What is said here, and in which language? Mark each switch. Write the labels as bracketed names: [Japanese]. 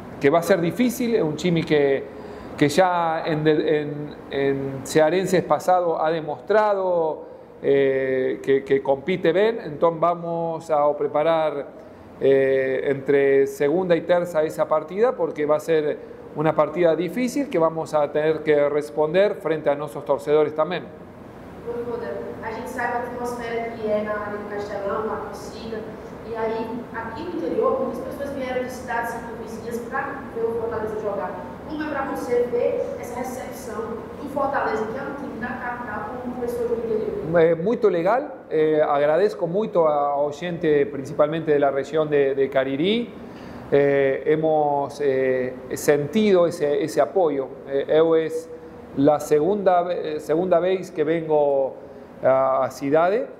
[Spanish] va a ser difícil, es un chimi que ya en Cearenses pasado ha demostrado que compite bien, entonces vamos a preparar entre segunda y tercera esa partida, porque va a ser una partida difícil que vamos a tener que responder frente a nuestros torcedores también. [Portuguese] Voivoda, a gente sabe a atmosfera que é na área do Castelão, na torcida, e aí aqui no interior muitas pessoas vieram de cidades e vizinhas para ver o Fortaleza jogar. Como é para você ver essa recepção do Fortaleza, que é um time da capital, como pessoa do interior? Muito legal. [Spanish] Agradezco mucho a oyente principalmente de la región de Cariri. Hemos sentido ese apoyo. Es la segunda vez que vengo a Cidade.